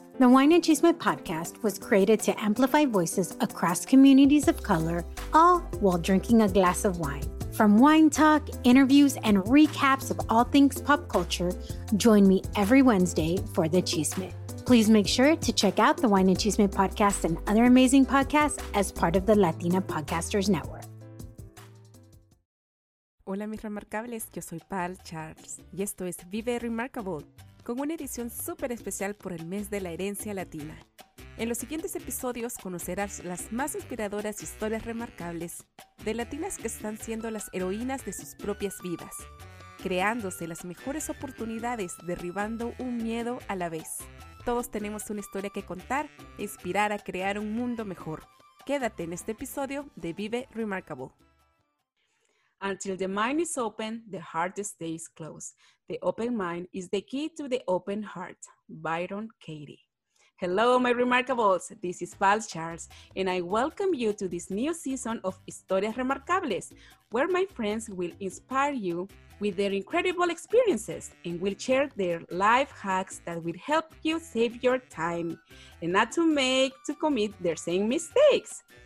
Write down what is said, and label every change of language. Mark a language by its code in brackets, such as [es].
[en] The Wine and Chisme podcast was created to amplify voices across communities of color, all while drinking a glass of wine. From wine talk, interviews, and recaps of all things pop culture, join me every Wednesday for the chisme. Please make sure to check out the Wine and Chisme podcast and other amazing podcasts as part of the Latina Podcasters Network. [es] Hola mis remarcables, yo soy Pal Charles y esto es Vive Remarkable, con una edición súper especial por el mes de la herencia latina. En los siguientes episodios conocerás las más inspiradoras historias remarcables de latinas que están siendo las heroínas de sus propias vidas, creándose las mejores oportunidades derribando un miedo a la vez. Todos tenemos una historia que contar e inspirar a crear un mundo mejor. Quédate en este episodio de Vive Remarkable. [en] Until the mind is open, the heart stays closed. The open mind is the key to the open heart. Byron Katie. Hello, my remarkables. This is Pal Charles, and I welcome you to this new season of Historias Remarcables, where my friends will inspire you with their incredible experiences and will share their life hacks that will help you save your time and not to make to commit their same mistakes.